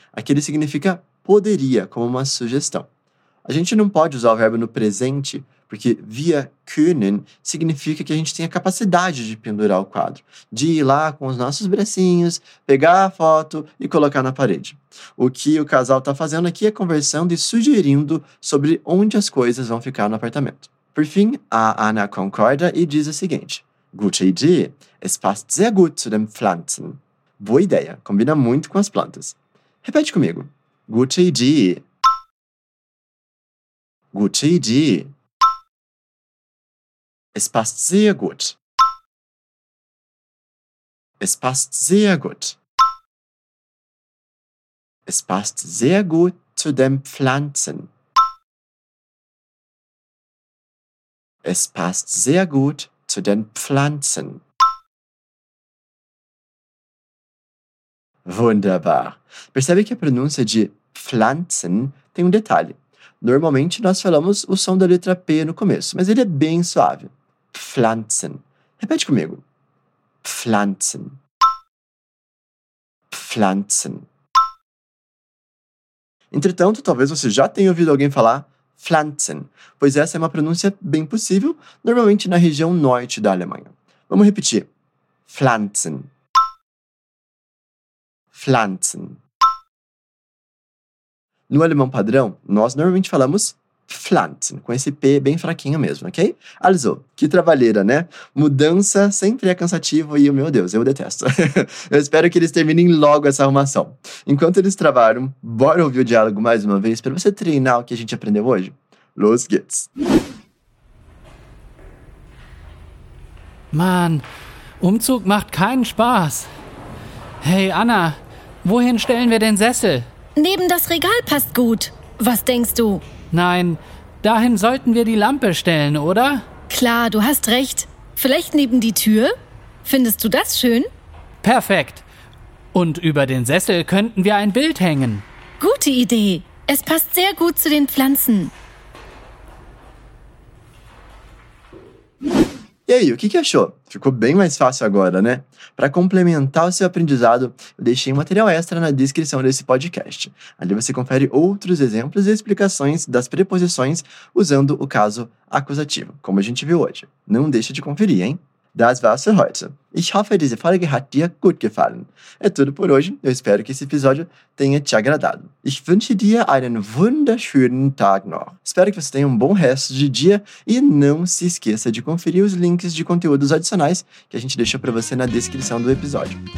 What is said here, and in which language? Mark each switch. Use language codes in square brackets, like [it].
[pt] Aqui ele significa poderia, como uma sugestão. A gente não pode usar o verbo no presente, porque [de] wir können [pt] significa que a gente tem a capacidade de pendurar o quadro, de ir lá com os nossos bracinhos, pegar a foto e colocar na parede. O que o casal está fazendo aqui é conversando e sugerindo sobre onde as coisas vão ficar no apartamento. Por fim, a Anna concorda e diz o seguinte. [de] Gute Idee, es passt sehr gut zu den Pflanzen. [pt] Boa ideia, combina muito com as plantas. Repete comigo. [de] Gute Idee. Gute Idee. Es passt sehr gut. Es passt sehr gut. Es passt sehr gut zu den Pflanzen. Es passt sehr gut zu den Pflanzen. Wunderbar. [pt] Percebe que a pronúncia de Pflanzen tem um detalhe. Normalmente nós falamos o som da letra P no começo, mas ele é bem suave. [de] Pflanzen. [pt] Repete comigo. [de] Pflanzen. Pflanzen. [pt] Entretanto, talvez você já tenha ouvido alguém falar Pflanzen, pois essa é uma pronúncia bem possível, normalmente na região norte da Alemanha. Vamos repetir. Pflanzen. [de] Pflanzen. [pt] No alemão padrão, nós normalmente falamos Pflanzen, com esse P bem fraquinho mesmo, ok? Also, que trabalheira, né? Mudança sempre é cansativo e, meu Deus, eu detesto. Eu espero que eles terminem logo essa arrumação. Enquanto eles trabalham, bora ouvir o diálogo mais uma vez para você treinar o que a gente aprendeu hoje? [de] Los geht's! Mann, Umzug macht keinen Spaß. Hey Anna, wohin stellen wir den Sessel? Neben das Regal passt gut. Was denkst du? Nein, dahin sollten wir die Lampe stellen, oder? Klar, du hast recht. Vielleicht neben die Tür? Findest du das schön? Perfekt. Und über den Sessel könnten wir ein Bild hängen. Gute Idee. Es passt sehr gut zu den Pflanzen. [pt] E aí, o que achou? Ficou bem mais fácil agora, né? Para complementar o seu aprendizado, eu deixei um material extra na descrição desse podcast. Ali você confere outros exemplos e explicações das preposições usando o caso acusativo, como a gente viu hoje. Não deixa de conferir, hein? [de] Das war's für heute. Ich hoffe, diese Folge hat dir gut gefallen. [pt] É tudo por hoje. Eu espero que esse episódio tenha te agradado. [de] Ich wünsche dir einen wunderschönen Tag noch. [pt] Espero que você tenha um bom resto de dia e não se esqueça de conferir os links de conteúdos adicionais que a gente deixou para você na descrição do episódio.